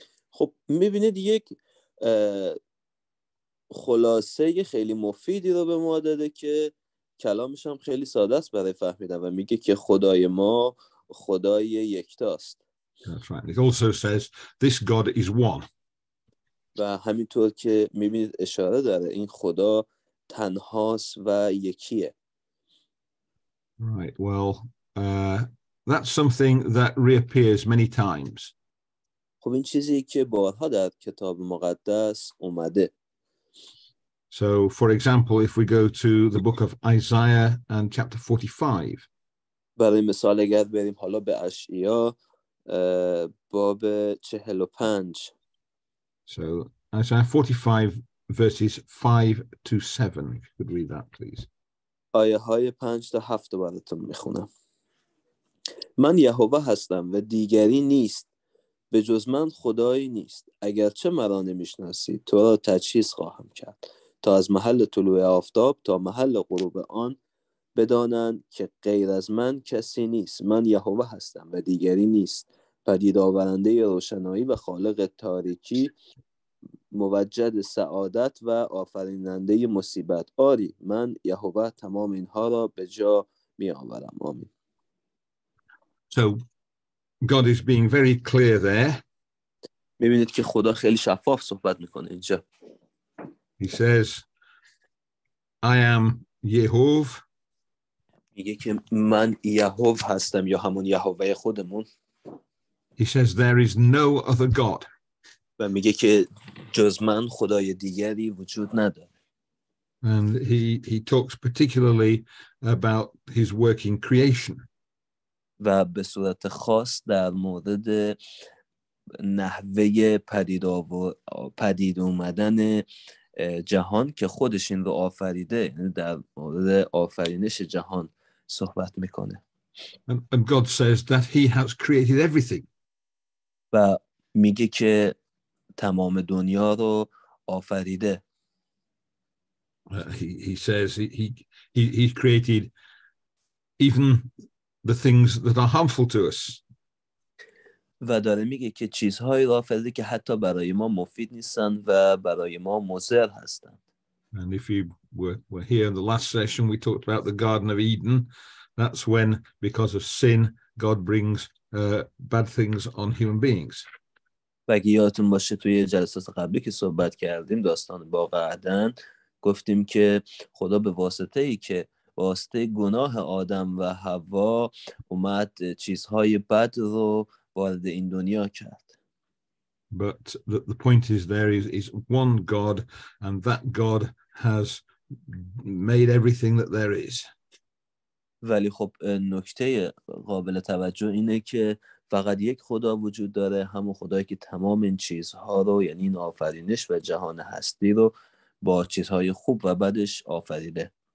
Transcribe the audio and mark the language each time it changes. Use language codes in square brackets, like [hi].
[fa] خب می‌بینید یک خلاصه خیلی مفیدی رو به ما داده که کلامش هم خیلی ساده است برای فهمیدن و میگه که خدای ما خدای یکتاست. [en] That's right. It also says this God is one. [fa] و همینطور که میبینید اشاره داره این خدا تنهاست و یکیه. [en] Right. Well, that's something that reappears many times. [fa] خب این چیزی که بارها در کتاب مقدس اومده. [en] So, for example, if we go to the book of Isaiah and chapter 45. [fa] برای مثال اگر بریم حالا به اشعیا باب 45. [en] So, Isaiah 45 verses 5 to 7. You could read that, please. [fa] آیه های 5 تا 7 براتون میخونم. من یهوه هستم و دیگری نیست. به جز من خدایی نیست. اگرچه مرا نمیشناسی تو را تجهیز خواهم کرد. تا از محل طلوع آفتاب تا محل غروب آن بدانند که غیر از من کسی نیست. من یهوه هستم و دیگری نیست. پدید آورنده روشنایی و خالق تاریکی، موجد سعادت و آفریننده مصیبت. آری من یهوه تمام اینها را به جا می آورم. آمین. [en] So God is being very clear there. [fa] می‌بینید که خدا خیلی شفاف صحبت می‌کنه اینجا. [en] He says I am Yehov. [fa] میگه که من یهوه هستم یا همون یهوه خودمون. [en] He says there is no other God. [fa] و میگه که جز من خدای دیگری وجود نداره. [en] And he talks particularly about his work in creation. [fa] و به صورت خاص در مورد نحوه پدید اومدن جهان که خودش این رو آفریده، یعنی در مورد آفرینش جهان صحبت میکنه. [en] And God says that he has created everything. [fa] و میگه که تمام دنیا رو آفریده. [en] He says he created even the things that are harmful to us. [fa] و داره میگه که چیزهایی رو آفریده که حتی برای ما مفید نیستن و برای ما مضر هستن. [en] And if you were here in the last session we talked about the Garden of Eden, that's when because of sin God brings bad things on human beings. [fa] اگه یادتون باشه توی جلسات قبلی که صحبت کردیم داستان باغ عدن گفتیم که خدا به واسطه ای که واسطه گناه آدم و حوا اومد چیزهای بد رو وارد این دنیا کرد. [en] But the point is there is one God and that God has made everything that there is. [fa] ولی خب نکته قابل توجه اینه که فقط یک خدا وجود داره، همون خدایی که تمام این چیزها رو یعنی این آفرینش و جهان هستی رو با چیزهای خوب و بدش آفریده.